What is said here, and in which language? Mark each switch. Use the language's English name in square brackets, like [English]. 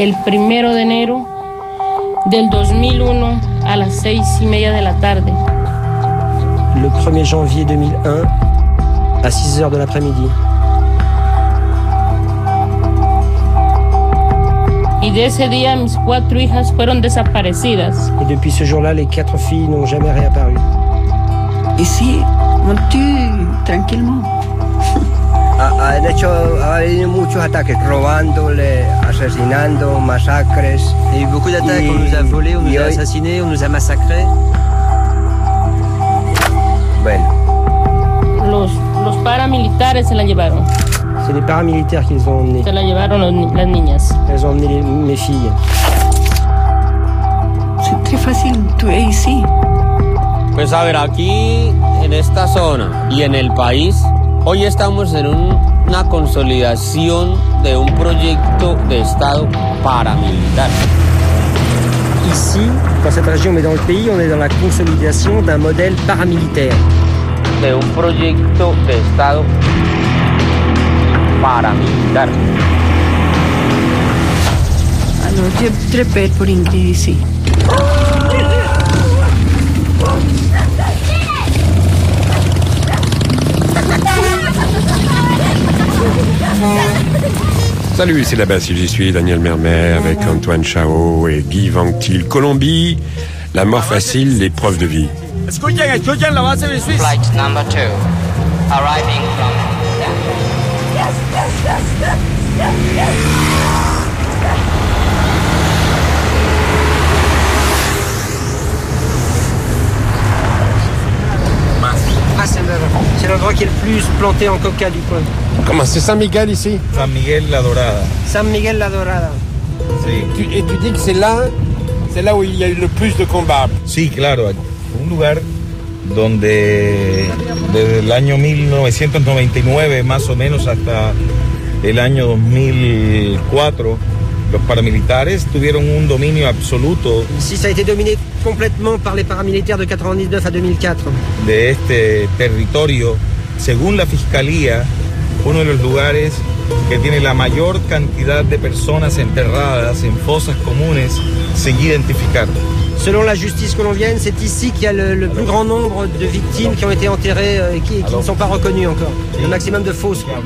[Spanish] El primero de enero del 2001 a las 6:30 de la tarde. [French] Le 1er janvier 2001 à 6:00 de l'après-midi. [Spanish] Y de ese día mis cuatro hijas fueron desaparecidas. [French] Et depuis ce jour-là, les quatre filles n'ont jamais réapparu. Ici, on tue tranquillement. [Spanish] De hecho, ha habido muchos ataques, robándole, asesinando, masacres. [French] Y beaucoup d'attaques, on nous a volé, on nous a assassiné, on nous a massacré. [Spanish] Bueno. Los paramilitares se la llevaron. [French] C'est les paramilitaires qu'ils ont emmené. [Spanish] Se la llevaron las niñas. [French] Elles ont emmené mes filles. C'est très facile de tuer ici. [Spanish] Pues a ver, aquí, en esta zona y en el país, hoy estamos en una consolidación de un proyecto de Estado paramilitar. [French] Ici, dans cette région, mais dans le pays, on est dans la consolidation d'un modèle paramilitaire. [Spanish] De un proyecto de Estado paramilitar. [French] Alors, j'ai très peur pour Ingrid ici. Salut, c'est là-bas si j'y suis, Daniel Mermer avec Antoine Chao et Guy Vanctil. Colombie, la mort facile, l'épreuve de vie. [Spanish] Escuchen [French] là-bas, c'est les Suisses. [English] Flight number 2, arriving from. [French] C'est l'endroit qui est le plus planté en coca du coin. Comment c'est San Miguel ici? [Spanish] San Miguel la Dorada. San Miguel la Dorada. Si. [French] Et tu dis que c'est là où il y a eu le plus de combats. [Spanish] Si, claro. Un lugar donde desde el año 1999 más o menos hasta el año 2004 los paramilitares tuvieron un dominio absoluto. [French] Si, ça a été dominé complètement par les paramilitaires de 99 à 2004. [Spanish] De este territorio, según la fiscalía, uno de los lugares que tiene la mayor cantidad de personas enterradas en fosas comunes sin identificar. [French] Selon la justice colombienne, c'est ici qu'il y a le plus grand nombre de victimes qui ont été enterrées et qui ne sont pas reconnues encore. Sí. Le maximum de fosses.